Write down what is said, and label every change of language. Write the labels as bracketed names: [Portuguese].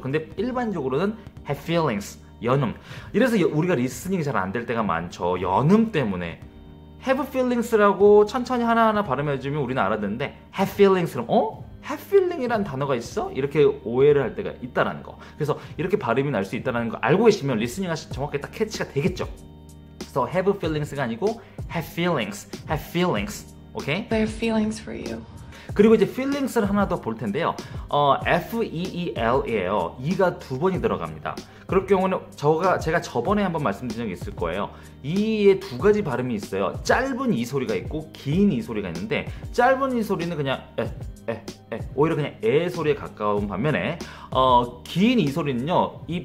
[Korean] 근데 일반적으로는 have feelings 연음. 이래서 우리가 리스닝이 잘 안 될 때가 많죠. 연음 때문에 have feelings라고 천천히 하나하나 발음해주면 우리는 알아듣는데 have feelings로 have feeling이란 단어가 있어? 이렇게 오해를 할 때가 있다라는 거. 그래서 이렇게 발음이 날 수 있다라는 거 알고 계시면 리스닝 하시면 정확하게 딱 캐치가 되겠죠. [English] So have feelings가 [Korean] 아니고 [English] have feelings. Okay? I have feelings for you. [Korean] 그리고 이제 feelings를 하나 더 볼 텐데요. F-E-E-L이에요. E가 두 번이 들어갑니다. 그럴 경우는 제가 저번에 한번 말씀드린 적이 있을 거예요. E의 두 가지 발음이 있어요. 짧은 E 소리가 있고 긴 E 소리가 있는데 짧은 E 소리는 그냥 오히려 그냥 에 소리에 가까운 반면에 긴 E 소리는요.